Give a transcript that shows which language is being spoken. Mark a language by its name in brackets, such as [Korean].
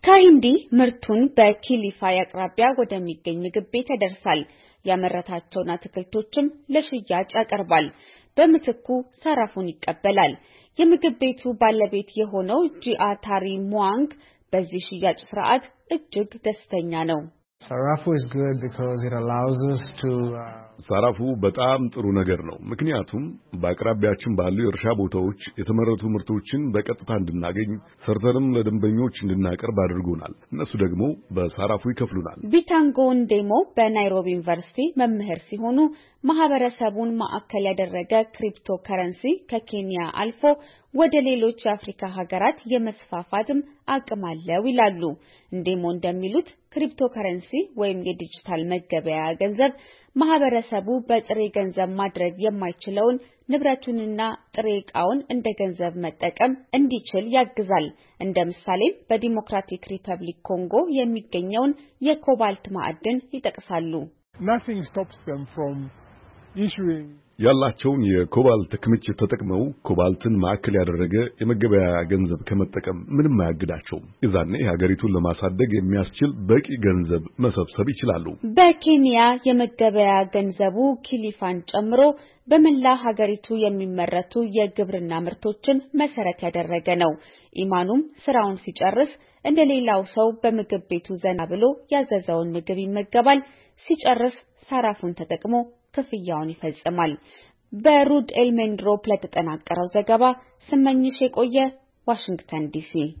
[Amharic] ካሂንዲ ምርቱን በኪሊፋይ አቅራቢያ ወደሚገኝ ምግብ ቤት ያደርሳል። ያመረታቸውን አትክልቶችም ለሽያጭ ያቀርባል። በምትኩ ሳራፉን ይቀበላል። የምግብ ቤቱ ባለቤት የሆነው ጂአታሪ ሙዋንግ በዚህ ሽያጭ ፍራአት እጅግ ደስተኛ ነው። [English] Sarafu is good because it allows us to [Amharic] Sarafu በጣም ጥሩ ነገር ነው። ምክንያቱም በአቅራቢያችን ባሉ እርሻ ቦታዎች የተመረቱ ምርቶችን በቀጥታ እንድናገኝ ሰርተንም ለደንበኞች እንድናቀርብ አድርጎናል። እነሱ ደግሞ በሳራፉ ይከፍሉናል። ቢታንጎን ደሞ በናይሮቢ ዩኒቨርሲቲ መምህር ሲሆኑ ማህበረሰቡን ማዕከል ያደረገ ክሪፕቶ ከረንሲ ከኬንያ አልፎ ወደ ሌሎች አፍሪካ ሀገራት የመስፋፋትም አቅም አለው ይላሉ። እንደሞ እንደሚሉት ክሪፕቶከረንሲ ወይም የዲጂታል መገበያያ ገንዘብ ማህበረሰቡ በጥሬ ገንዘብ ማድረግ የማይችለውን ንብረቱንና ጥሬ ቃውን እንደ ገንዘብ መጠቀም እንዲችል ያግዛል። እንደምሳሌ በዲሞክራቲክ ሪፐብሊክ ኮንጎ የሚገኘውን የኮባልት ማዕድን ይጠቅሳሉ። [English] Nothing stops them from issuing [Amharic] ያላቸውን የኮባልት ክምችት ተጠቅመው ኮባልትን ማዕከል ያደረገ የመገበያ ገንዘብ ከመጠቀም ምንም አያግዳቸው። እዛኔ ሀገሪቱን ለማሳደግ የሚያስችል በቂ ገንዘብ መሰብሰብ ይችላሉ። በኬንያ የመገበያ ገንዘቡ ኪሊፋን ጨምሮ በመላ ሀገሪቱ የሚመረቱ የግብርና ምርቶችን መሰረት ያደረገ ነው። ኢማኑም ስራውን ሲጨርስ እንደሌላው ሰው በምግብ ቤቱ ዘና ብሎ ያዘዘውን ምግብ ይመገባል። ሲጨርስ ሳራፉን ተጠቅሞ ክፍያውን ይፈጽማል። በሩድ ኤልሜንድሮ ለተጠናቀረው ዘገባ ስመኝሽ የቆየ ዋሽንግተን ዲሲ።